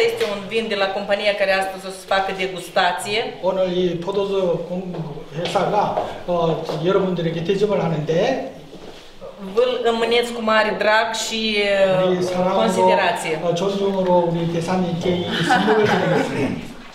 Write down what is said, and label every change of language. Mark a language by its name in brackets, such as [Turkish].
[Romanian] este un vin de la compania care astăzi o să facă degustație. [Korean] 오늘 이 포도주 회사가 여러분들에게 대접을 하는데 [Romanian] vă îmâneți cu mare drag și considerație. [Korean] 존중으로 우리 대사님께 이 선물을 드리겠습니다.